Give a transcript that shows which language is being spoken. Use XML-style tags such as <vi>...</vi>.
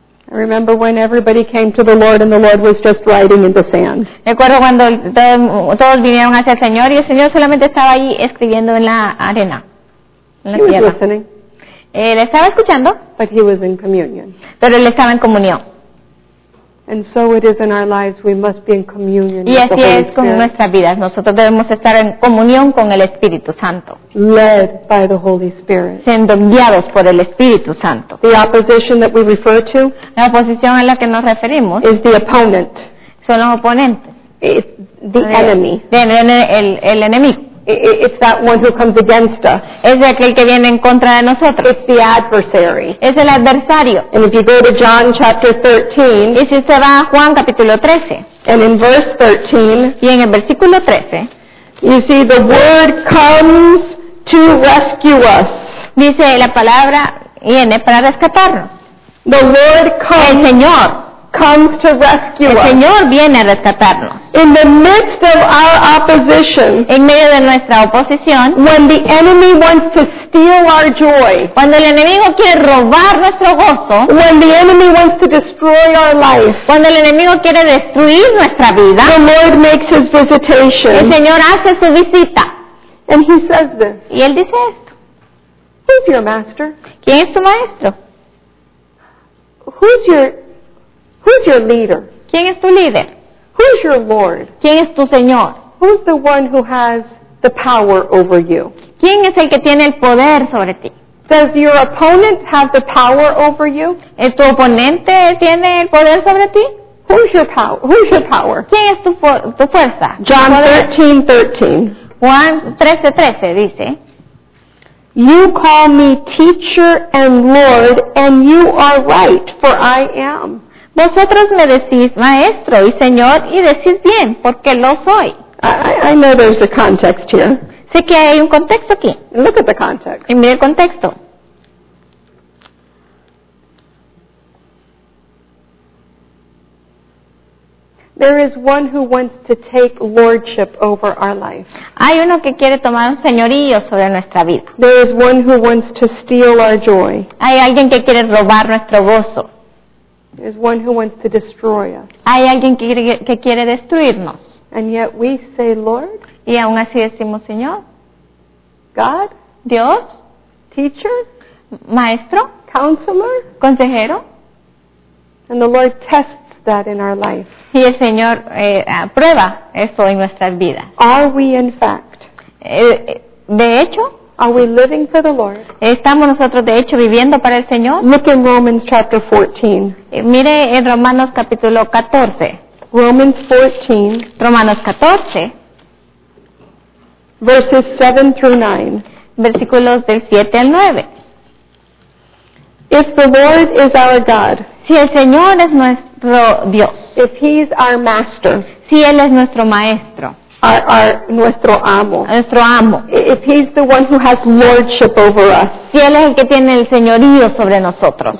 <en>I remember when everybody came to the Lord and the Lord was just writing in the sand.</en> <es>Recuerdo cuando todos vinieron hacia el Señor y el Señor solamente estaba ahí escribiendo en la arena.</es> <en>He was listening.</en> <es>Él estaba escuchando.</es> <en>But he was in communion.</en> <es>Pero él estaba en comunión.</es> <en>And so it is in our lives. We must be in communion with the Holy Spirit.</en> <es>Y así es con nuestras vidas. Nosotros debemos estar en comunión con el Espíritu Santo.</es> <en>Led by the Holy Spirit.</en> <es>Siendo guiados por el Espíritu Santo.</es> <en>The opposition that we refer to.</en> <es>La oposición a la que nos referimos.</es> <en>Is the opponent.</en> <es>Son los oponentes.</es> <en>It's the enemy.</en> <es>El enemigo.</es> <en>It's that one who comes against us.</en> <es>Es aquel que viene en contra de nosotros.</es> <en>It's the adversary.</en> <es>Es el adversario.</es> <en>And if you go to John chapter 13.</en> <es>Y si usted va a Juan capítulo 13.</es> <en>And in verse 13.</en> <es>Y en el versículo 13.</es> <en>You see, the word comes to rescue us.</en> <es>Dice, la palabra viene para rescatarnos.</es> <en>The word comes.</en> <es>El Señor.</es> <en>Comes to rescue us.</en> <es>El Señor viene a rescatarnos.</es> <en>In the midst of our opposition.</en> <es>En medio de nuestra oposición.</es> <en>When the enemy wants to steal our joy.</en> <es>Cuando el enemigo quiere robar nuestro gozo.</es> <en>When the enemy wants to destroy our life.</en> <es>Cuando el enemigo quiere destruir nuestra vida.</es> <en>The Lord makes his visitation.</en> <es>El Señor hace su visita.</es> <en>And he says this.</en> <es>Y él dice esto.</es> <en>Who's your master?</en> <es>¿Quién es tu maestro?</es> <en>Who's your leader?</en> <es>¿Quién es tu líder?</es> <en>Who's your lord?</en> <es>¿Quién es tu señor?</es> <en>Who's the one who has the power over you?</en> <es>¿Quién es el que tiene el poder sobre ti?</es> <en>Does your opponent have the power over you?</en> <es>¿Tu oponente tiene el poder sobre ti?</es> <en>Who's your power?</en> <es>¿Quién es tu fuerza?</es> <en>John 13:13.</en> <es>Juan 13:13 dice,</es> <en>"You call me teacher and lord, and you are right, for I am."</en> <es>Vosotros me decís maestro y señor, y decís bien, porque lo soy.</es> <en>I know there's a context here.</en> <es>Sé que hay un contexto aquí.</es> <en>Look at the context.</en> <es>Y mira el contexto.</es> <en>There is one who wants to take lordship over our life.</en> <es>Hay uno que quiere tomar un señorío sobre nuestra vida.</es> <en>There is one who wants to steal our joy.</en> <es>Hay alguien que quiere robar nuestro gozo.</es> <en>There is one who wants to destroy us.</en> <es>Hay alguien que quiere destruirnos.</es> <en>And yet we say, Lord.</en> <es>Y aún así decimos, Señor.</es> <en>God.</en> <es>Dios.</es> <en>Teacher.</en> <es>Maestro.</es> <en>Counselor.</en> <es>Consejero.</es> <en>And the Lord tests that in our life.</en> <es>Y el Señor prueba eso en nuestras vidas.</es> <en>Are we in fact?</en> <es>De hecho,</es> <en>are we living for the Lord?</en> <es>¿Estamos nosotros de hecho viviendo para el Señor?</es> <en>Look in Romans chapter 14.</en> <es>Mire en Romanos capítulo 14.</es> <en>Romans 14.</en> <es>Romanos 14.</es> <en>Verses 7 through 9.</en> <es>Versículos del 7 al 9.</es> <en>If the Lord is our God.</en> <es>Si el Señor es nuestro Dios.</es> <en>If he's our master.</en> <es>Si él es nuestro maestro. Nuestro amo. Nuestro amo.</es> <en>If he's the one who has lordship over us.</en> <es>Si él es el que tiene el señorío sobre nosotros.</es>